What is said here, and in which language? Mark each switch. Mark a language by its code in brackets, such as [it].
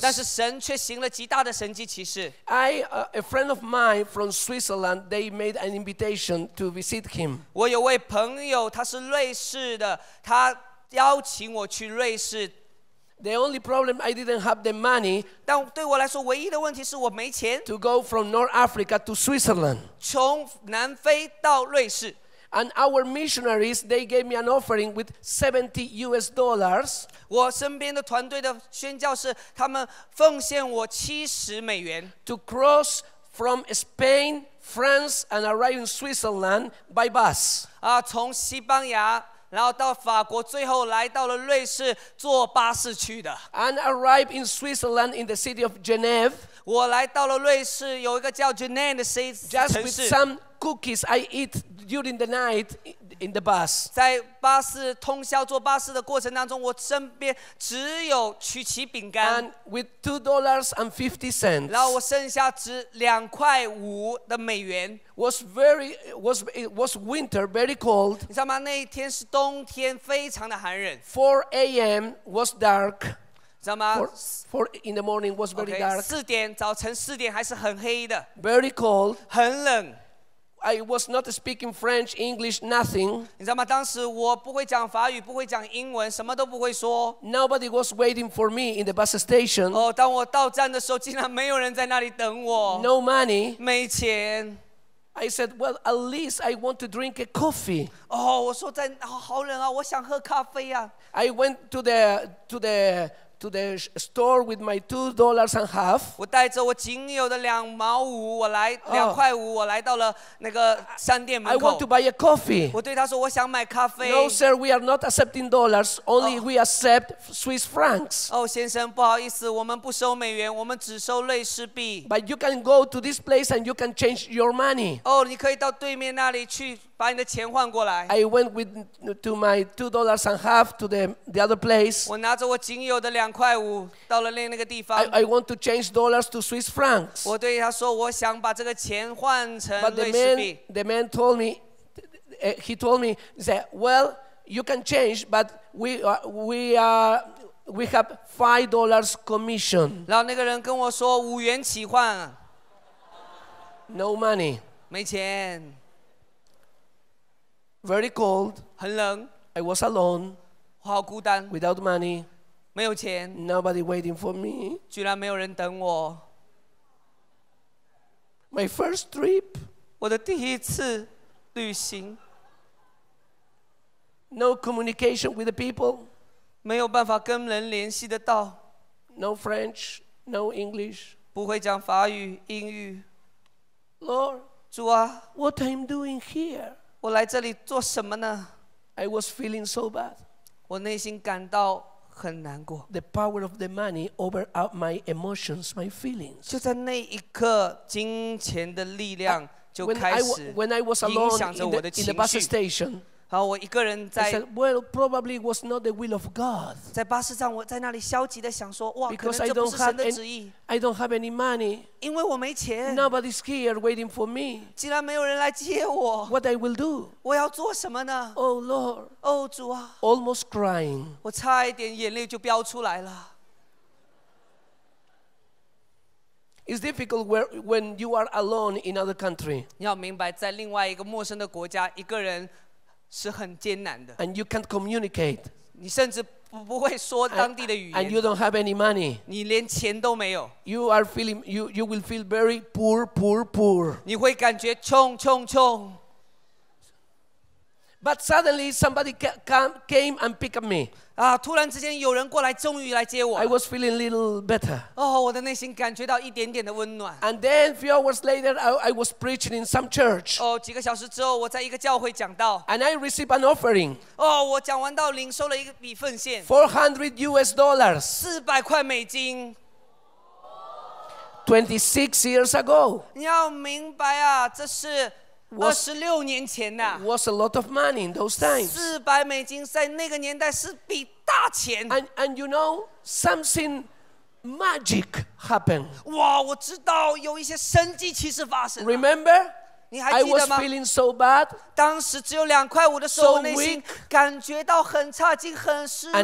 [zh] 但是神却行了极大的神迹奇事。 [en] A friend of mine from Switzerland, they made an invitation to visit him. [zh] 我有位朋友，他是瑞士的，他邀请我去瑞士。 [en] The only problem I didn't have the money. [zh] 但对我来说，唯一的问题是我没钱。 [en] To go from North Africa to Switzerland. [zh] 从南非到瑞士。 [en] And our missionaries, they gave me an offering with $70. [zh] 我身边的团队的宣教士，他们奉献我$70 [en] to cross from Spain, France, and arrive in Switzerland by bus. [zh] 啊，从西班牙。然后到法国，最后来到了瑞士，坐巴士去的。 [en] And arrived in Switzerland in the city of Geneva. [zh] 我来到了瑞士，有一个叫 Geneva 的城市。 [en] Just with some cookies I eat during the night in the bus. [zh] 在巴士通宵坐巴士的过程当中，我身边只有曲奇饼干。 [en] And with $2.50. [zh] 然后我剩下只$2.50的美元。 [en] It was winter, very cold. [zh] 你知道吗？那一天是冬天，非常的寒冷。 [en] 4 a.m. was dark. [zh] 你知道吗？ [en] Four in the morning was very dark. [zh] 早晨四点还是很黑的。 [en] Very cold. [zh] 很冷。 [en] I was not speaking French, English, nothing. [zh] 你知道吗？当时我不会讲法语，不会讲英文，什么都不会说。 [en] Nobody was waiting for me in the bus station. [zh] 哦，当我到站的时候，竟然没有人在那里等我。 [en] No money. [zh] 没钱。 [en] I said, well, at least I want to drink a coffee. [zh] Oh, 我说在好冷啊，我想喝咖啡啊。 [en] I went to the store with my $2.50. [zh] 我带着我仅有的$2.50，我来$2.50，我来到了那个商店门口。 [en] I want to buy a coffee. [zh] 我对他说我想买咖啡。 [en] No, sir, we are not accepting dollars. Only we accept Swiss francs. [zh] 哦，先生，不好意思，我们不收美元，我们只收瑞士币。 [en] But you can go to this place and you can change your money. [zh] 哦，你可以到对面那里去。把你的钱换过来。 [en] I went with to my $2.50 to the other place. [zh] 我拿着我仅有的$2.50到了另一个地方。 [en] I want to change dollars to Swiss francs. [zh] 我对他说，我想把这个钱换成瑞士币。 [en] But the man told me, he told me, he said, well, you can change, but we have $5 commission. [zh] 然后那个人跟我说$5起换。 [en] No money. [zh] 没钱。 [en] Very cold. [zh] 很冷。 [en] I was alone. [zh] 我好孤单。 [en] Without money. [zh] 没有钱。 [en] Nobody waiting for me. [zh] 居然没有人等我。 [en] My first trip. [zh] 我的第一次旅行。 [en] No communication with the people. [zh] 没有办法跟人联系得到。 [en] No French. No English. [zh] 不会讲法语、英语。 [en] Lord. [zh] 主啊。 [en] What am I doing here? [zh] 我来这里做什么呢？ [en] I was feeling so bad. [zh] 我内心感到很难过。 [en] The power of the money over out my emotions, my feelings. [zh] 就在那一刻，金钱的力量就开始影响着我的情绪。 [en] When I was alone in the bus station, [zh] 好，我一个人在。 [en] I said, well, probably was not the will of God. [zh] 在巴士上，我在那里消极地想说，哇，可能这不是神的旨意。 [en] Because I don't have any money. [zh] 因为我没钱。 [en] Nobody's here waiting for me. [zh] 竟然没有人来接我。 [en] What I will do? [zh] 我要做什么呢？ [en] Oh Lord. [zh] Oh 主啊。 [en] Almost crying. [zh] 我差一点眼泪就飙出来了。 [en] It's difficult when you are alone in other country. [zh] 你要明白，在另外一个陌生的国家，一个人是很艰难的。 [en] And you can't communicate. [zh] 你甚至不会说当地的语言。 [en] And you don't have any money. [zh] 你连钱都没有。 [en] You are feeling, you will feel very poor, poor, poor. [zh] 你会感觉穷穷穷。 [en] But suddenly somebody came and picked me. [zh] 啊，突然之间有人过来，终于来接我。 [en] I was feeling a little better. [zh] 哦，我的内心感觉到一点点的温暖。 [en] And then few hours later, I was preaching in some church. [zh] 哦，几个小时之后，我在一个教会讲道。 [en] And I received an offering. [zh] 哦，我讲完道，领受了一笔奉献。 [en] $400. [zh] $400。 [en] 26 years ago. [zh] 你要明白啊，这是。 [en] Was a lot of money in those times. [zh] 400美金在那个年代是笔大钱。 [en] And you know something magic happened. [zh] 哇，我知道有一些神迹其实发生。 [en] Remember? [zh] 你还记得吗？ [en] I was feeling so bad. [zh] 当时只有$2.50的时候，内心感觉到很差劲，很失落。